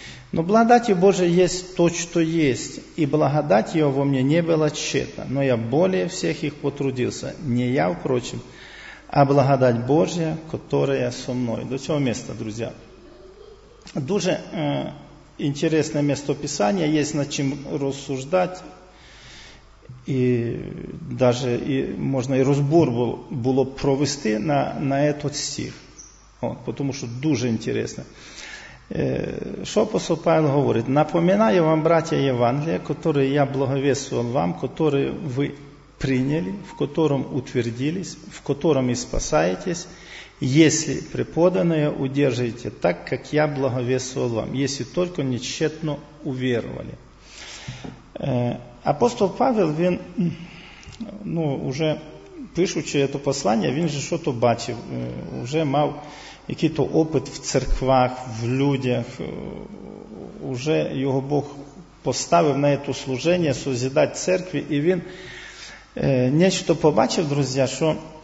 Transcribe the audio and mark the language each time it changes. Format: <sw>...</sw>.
<ru>Но благодать Божия есть то, что есть, и благодать его во мне не была тщетна, но я более всех их потрудился, не я, впрочем, а благодать Божья, которая со мной.</ru> <uk>До цього</uk> <ru>места, друзья. Дуже интересное место Писания, есть над чем рассуждать,</ru> <uk>і навіть можна і розбор було б провести</uk> <ru>на этот стих.</ru> <uk>От, тому що дуже інтересно. Що апостол Павел говорить?</uk> <ru>Напоминаю вам, браття Євангелія, яке я благовествовал вам,</ru> <uk>яке ви прийняли,</uk> <ru>в котором утвердились, в котором</ru> <uk>і спасаєтесь,</uk> <ru>если преподанное удержите так, как я благовествовал вам, если только не тщетно уверовали.</ru> <uk>Апостол Павел, він, ну, уже пишучи це послання, він же що-то бачив, вже мав який-то опит в церквах, в людях, вже його Бог поставив на це служення, созидати церкві, і він нечто побачив, друзі, що</uk>